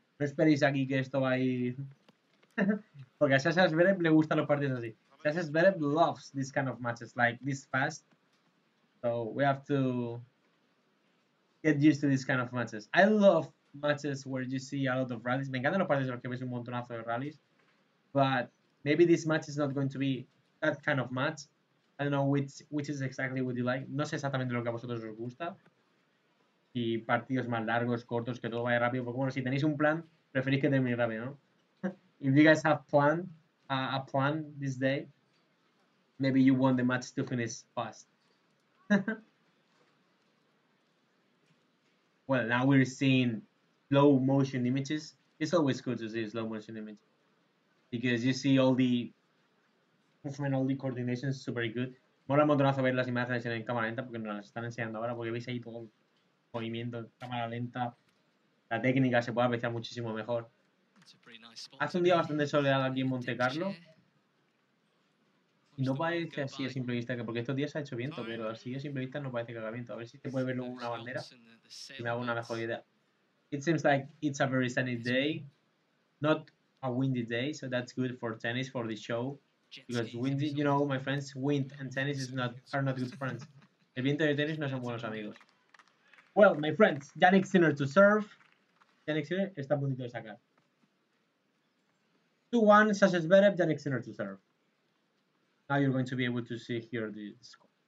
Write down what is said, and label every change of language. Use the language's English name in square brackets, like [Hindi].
[Spanish] No esperéis aquí que esto va a ir... Porque a Sasha Zverev le gustan los partidos así. [English] Sasha Zverev loves this kind of matches, like this fast. So we have to get used to this kind of matches. I love matches where you see a lot of rallies. [Spanish] Me encantan los partidos porque ves un montonazo de rallies. [English] But maybe this match is not going to be that kind of match. I don't know which is exactly what you like. [Spanish] No sé exactamente lo que a vosotros os gusta. Y partidos más largos, cortos, que todo vaya rápido. Porque bueno, si tenéis un plan, preferís que termine rápido, ¿no? [English] If you guys have a plan this day, maybe you want the match to finish fast. Well, now we're seeing slow motion images. It's always good to see slow motion images. Because you see all the movement, all the coordination is super good. [Spanish] Mola un montonazo ver las imágenes en cámara lenta porque nos las están enseñando ahora, porque veis ahí todo el movimiento en cámara lenta. La técnica se puede apreciar muchísimo mejor. Hace un día bastante soleado aquí en Montecarlo. Y no parece así a simple vista, porque estos días ha hecho viento, pero así a simple vista no parece que haga viento. A ver si se puede ver luego una bandera y me hago una mejor idea. [English] It seems like it's a very sunny day. Not a windy day, so that's good for tennis, for the show. Because windy, you know, my friends, wind and tennis are not good friends. [Spanish] El viento y el tenis no son buenos amigos. [English] Well, my friends, Jannik Sinner to serve. Jannik Sinner [Spanish] está a puntito de sacar. [English] 2-1, Sasha Zverev, Jannik Sinner to serve. Now you're going to be able to see here the score.